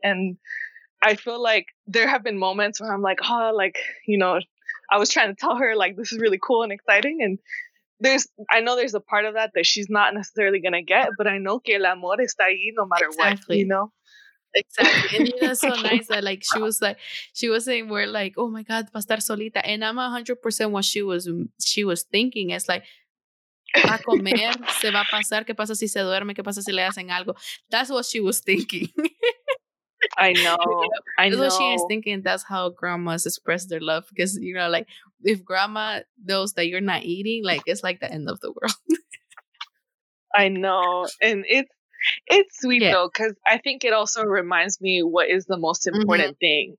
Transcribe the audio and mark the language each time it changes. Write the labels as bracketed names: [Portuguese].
[English] And I feel like there have been moments where I'm like, oh, like, you know, I was trying to tell her like, this is really cool and exciting. And I know there's a part of that that she's not necessarily going to get, but I know [Spanish] que el amor está ahí [English] no matter what, you know? Exactly. And you know, it's so nice that like, she was saying, we're like, oh my God, [Spanish] va a estar solita. [English] And I'm 100% what she was thinking. It's like, [Spanish] va a comer, se va a pasar, qué pasa si se duerme, qué pasa si le hacen algo. [English] That's what she was thinking. I know. That's what she is thinking. That's how grandmas express their love. Because, you know, like, if grandma knows that you're not eating, like, it's like the end of the world. I know. And it's sweet, though, because I think it also reminds me what is the most important mm-hmm. thing.